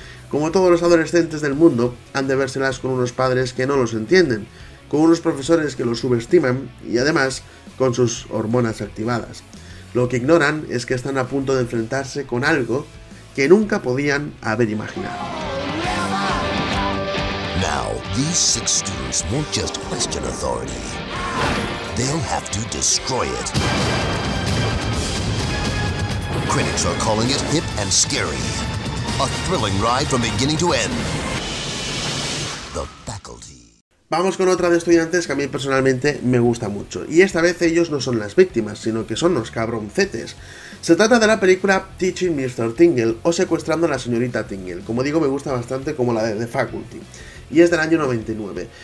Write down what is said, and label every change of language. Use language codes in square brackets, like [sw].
[es] Como todos los adolescentes del mundo, han de vérselas con unos padres que no los entienden, con unos profesores que los subestiman y además con sus hormonas activadas. Lo que ignoran es que están a punto de enfrentarse con algo que nunca podían haber imaginado. [en] Now, these six students won't just question authority. They'll have to destroy it. Critics are calling it hip and scary. A thrilling ride from beginning to end. The faculty. [es] Vamos con otra de estudiantes que a mí personalmente me gusta mucho. Y esta vez ellos no son las víctimas, sino que son los cabroncetes. Se trata de la película Teaching Mr. Tingle o Secuestrando a la señorita Tingle. Como digo, me gusta bastante como la de The Faculty. Y es del año 99.